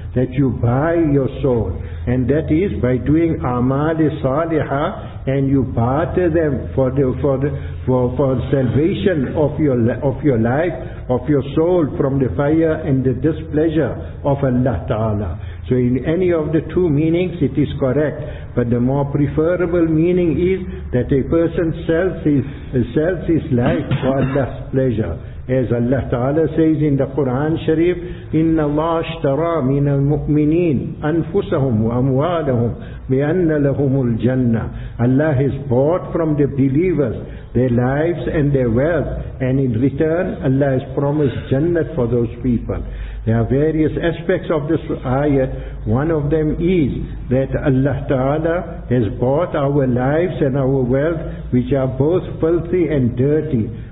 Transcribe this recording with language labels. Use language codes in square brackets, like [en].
[en] That you buy your soul, and that is by doing amal salihah, and you barter them for salvation of your life, of your soul, from the fire and the displeasure of Allah Ta'ala. So in any of the two meanings it is correct, but the more preferable meaning is that a person sells his life for Allah's pleasure. As Allah Ta'ala says in the Quran Sharif, [ar] إِنَّ اللَّهَ اشْتَرَى مِنَ الْمُؤْمِنِينَ أَنفُسَهُمْ وَأَمْوَالَهُمْ بِأَنَّ لَهُمُ الْجَنَّةِ. [en] Allah has bought from the believers their lives and their wealth, and in return Allah has promised Jannah for those people. There are various aspects of this ayat. One of them is that Allah Ta'ala has bought our lives and our wealth, which are both filthy and dirty.